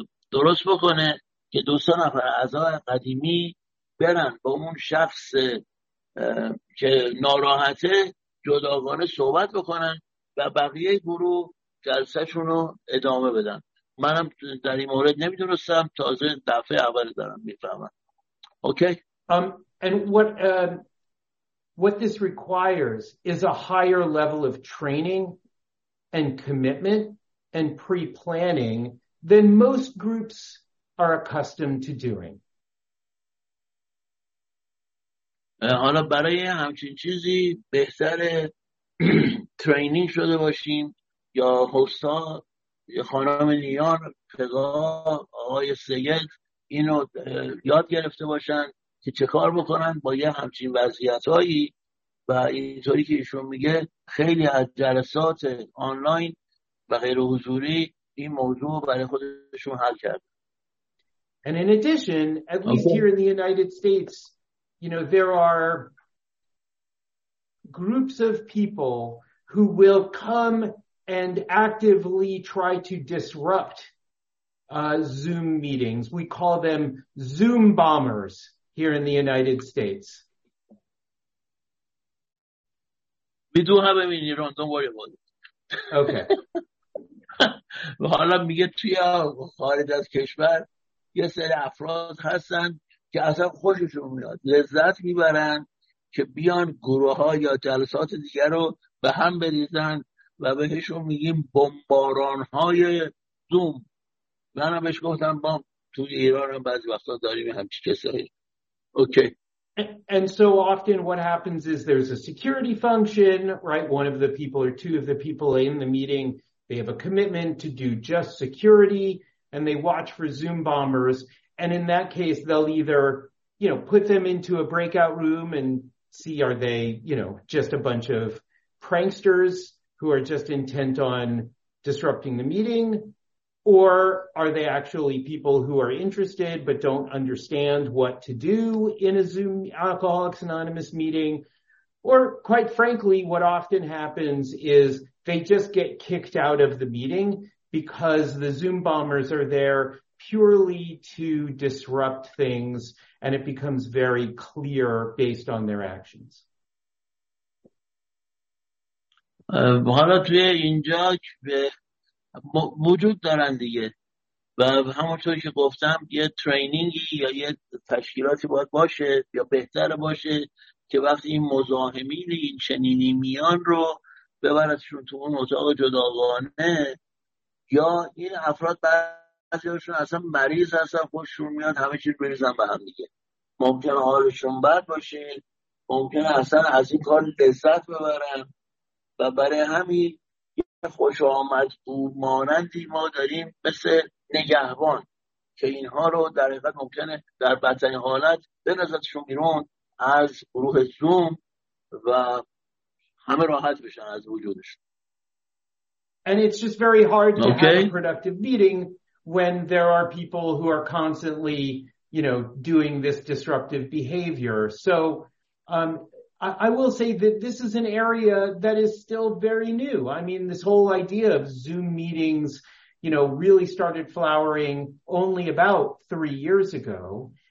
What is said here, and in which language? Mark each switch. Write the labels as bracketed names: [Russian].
[Persian] درست بکنه که دو سه نفر اعضای قدیمی برن با اون شخص که ناراحته جداگانه صحبت بکنن و بقیه گروه جلسهشون رو ادامه بدن. منم در این مورد نمیدونستم، تازه دفعه اول دارم میفهمم. اوکی. [English] And what this requires is a higher level of training and commitment and pre-planning than most groups are accustomed to doing. [Persian] حالا برای همچین چیزی بهتره ترینینگ شده باشیم یا هوستا یا خانم لیان پگا آقای سید اینو یاد گرفته باشن که چه کار بکنن با یه همچین وضعیتایی. و اینطوری که ایشون میگه خیلی از جلسات آنلاین و غیر حضوری این موضوع برای خودشون حل کرد. [English] And in addition, at least here in the United States, there are groups of people who will come and actively try to disrupt Zoom meetings. We call them Zoom bombers here in the United States. We do have them in Iran, don't worry about it. Okay. [Persian] و حالا میگه توی خارج از کشور یه سری افراد هستن که اصلا خوششون میاد لذت میبرن که بیان گروه ها یا جلسات دیگر رو به هم بریزن و بهشون میگیم بمباران های زوم. من هم بهش گفتم با توی ایران هم بعضی وقتا داریم همچی کسایی. اوکی. [English] And so often what happens is there's a security function, right? One of the people or two of the people in the meeting, they have a commitment to do just security, and they watch for Zoom bombers. And in that case, they'll either, you know, put them into a breakout room and see are they, you know, just a bunch of pranksters who are just intent on disrupting the meeting, or are they actually people who are interested but don't understand what to do in a Zoom Alcoholics Anonymous meeting? Or quite frankly, what often happens is they just get kicked out of the meeting because the Zoom bombers are there purely to disrupt things, and it becomes very clear based on their actions. [Persian] حالا توی اینجا که موجود دارن دیگه و همونطور که گفتم یه ترینینگی یا یه تشکیلاتی باید باشه یا بهتر باشه که وقتی این مزاحمین این چنینی میان رو ببردشون تو اون اتاق جداگانه یا این افراد بعضیشون اصلا مریض هستن خوششون میاد همه چیز بریزن به هم دیگه. ممکنه حالشون بد باشه، ممکنه اصلا از این کار لذت ببرن و برای همین یه خوش آمد بود مانندی ما داریم مثل نگهبان که اینها رو در حقیقت ممکنه در بدترین حالت به نزدشون بیرون از روح زوم و همه راحت بشن از وجودشون. [English] And it's just very hard to have a productive meeting when there are people who are constantly, you know, doing this disruptive behavior. So I will say that this is an area that is still very new. I mean, this whole idea of Zoom meetings, you know, really started flowering only about 3 years ago.